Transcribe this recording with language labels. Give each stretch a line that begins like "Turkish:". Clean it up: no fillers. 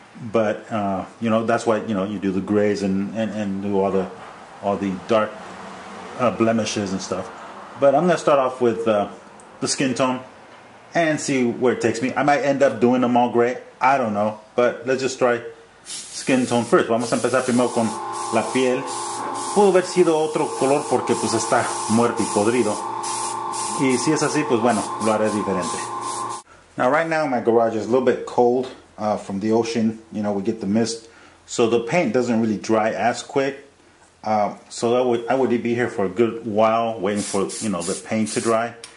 English: That's why, you do the grays and do all the dark blemishes and stuff. But I'm gonna start off with the skin tone and see where it takes me. I might end up doing them all gray, I don't know, but let's just try skin tone first.
Spanish: Vamos a empezar primero con la piel. Pudo haber sido otro color porque pues está muerto y podrido. Y si es así, pues bueno, lo haré diferente.
English: Now right now my garage is a little bit cold from the ocean. We get the mist. So the paint doesn't really dry as quick. So I would be here for a good while waiting for the paint to dry.